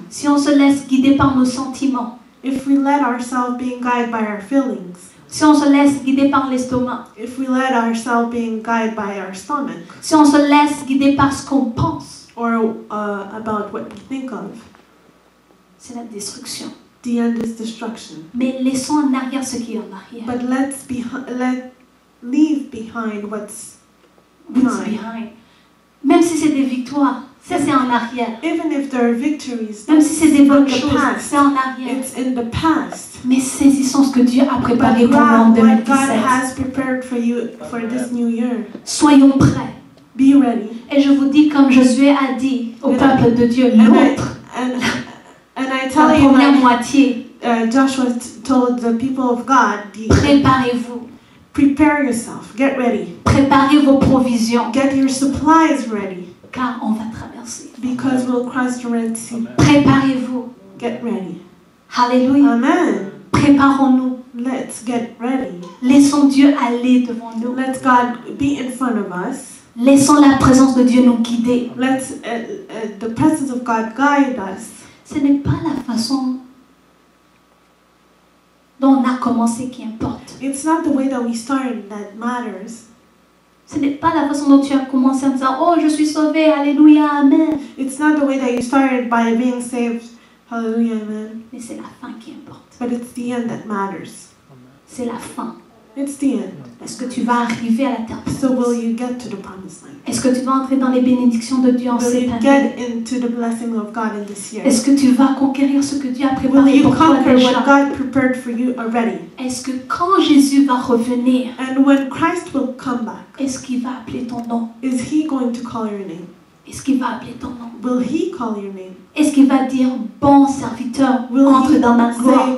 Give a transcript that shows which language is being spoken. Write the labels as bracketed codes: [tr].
[fr] Si on se laisse guider par nos sentiments. [en] If we let ourselves being guided by our feelings. [fr] Si on se laisse guider par l'estomac. [en] If we let ourselves being guided by our stomach. [fr] Si on se laisse guider par ce qu'on pense. [en] Or about what we think of. [fr] C'est la destruction. [en] The end is destruction. [fr] Mais laissons en arrière ce qui est en arrière. [en] But leave behind what's behind. [fr] Même si c'est des victoires. Ça, c'est en arrière. [en] Even if there are victories, [fr] même si c'est des bonnes choses, c'est en arrière. [en] It's in the past. [fr] Mais saisissons ce que Dieu a préparé pour l'an 2017. [en] God has prepared for you for this new year. [fr] Soyons prêts. [en] Be ready. [fr] Et je vous dis comme Josué a dit au peuple de Dieu, l'autre, la première moitié, [en] Joshua told the people of God, [fr] préparez-vous. [en] Prepare yourself. Get ready. [fr] Préparez vos provisions. [en] Get your supplies ready. [fr] Car on va traverser. [en] Because we'll cross the Red Sea. [fr] Préparez-vous. [en] Get ready. Hallelujah. Amen. [fr] Préparons-nous. [en] Let's get ready. [fr] Laissons Dieu aller devant nous. [en] Let God be in front of us. [fr] Laissons la présence de Dieu nous guider. [en] Let the presence of God guide us. [fr] Ce n'est pas la façon dont on a commencé qui importe. [en] It's not the way that we started that matters. [fr] Ce n'est pas la façon dont tu as commencé en disant, oh, je suis sauvé, alléluia, amen. [en] It's not the way that you started by being saved, hallelujah, amen. [fr] Mais c'est la fin qui importe. [en] But it's the end that matters. [fr] C'est la fin. [en] It's the end. [fr] Est-ce que tu vas arriver à la terre promise? [en] So will you get to the promised land? [fr] Est-ce que tu vas entrer dans les bénédictions de Dieu en cette année? [en] Will you get into the blessing of God in this year? [fr] Est-ce que tu vas conquérir ce que Dieu a préparé pour toi déjà? [en] Will you conquer what God prepared for you already? [fr] Est-ce que quand Jésus va revenir? [en] And when Christ will come back? [fr] Est-ce qu'il va appeler ton nom? [en] Is he going to call your name? [fr] Est-ce qu'il va appeler ton nom? [en] Will he call your name? [fr] Est-ce qu'il va dire, bon serviteur, [en] will [fr] entre [en] he [fr] dans ma gloire?